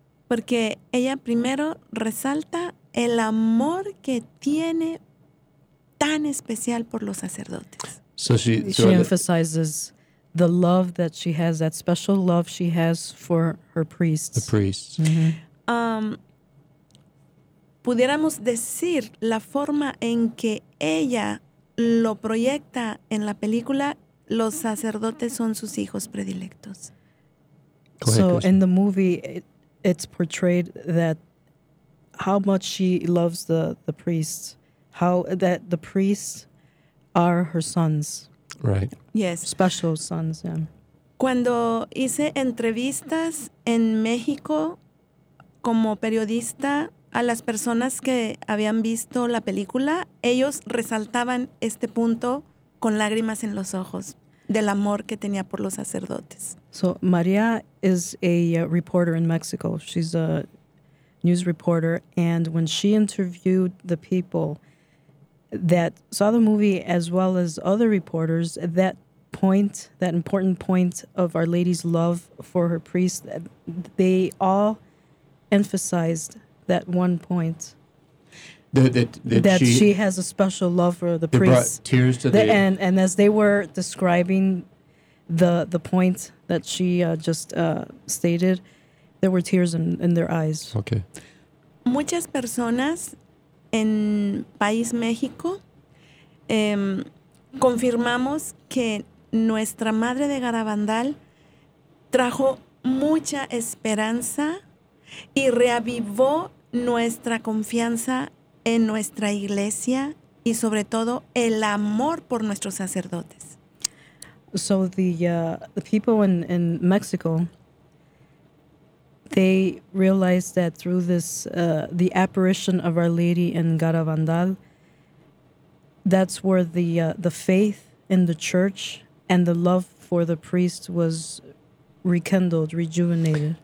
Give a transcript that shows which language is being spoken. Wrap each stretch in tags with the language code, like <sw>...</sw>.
<es>Porque ella primero resalta el amor que tiene tan especial por los sacerdotes.</es> <en>So she emphasizes the love that she has, that special love she has for her priests. The priests. Mm-hmm.</en> <es>Pudiéramos decir la forma en que ella lo proyecta en la película, los sacerdotes son sus hijos predilectos.</es> <en>Go ahead, so in the movie, it's portrayed that how much she loves the priests, how that the priests are her sons. Right. Yes. Special sons, yeah.</en> <es>Cuando hice entrevistas en México como periodista a las personas que habían visto la película, ellos resaltaban este punto con lágrimas en los ojos. del amor que tenía por los sacerdotes.</es> <en>So María is a reporter in Mexico. She's a news reporter, and when she interviewed the people that saw the movie as well as other reporters, that point, that important point of Our Lady's love for her priest, they all emphasized that one point. That she has a special love for the priest. They brought tears to the... And as they were describing the point that she stated, there were tears in their eyes. Okay.</en> <es>Muchas personas en País México confirmamos que nuestra madre de Garabandal trajo mucha esperanza y reavivó nuestra confianza en nuestra iglesia y sobre todo el amor por nuestros sacerdotes.</es> <en>So the people in Mexico, they realized that through this the apparition of Our Lady in Garabandal, that's where the faith in the church and the love for the priest was rekindled, rejuvenated.</en>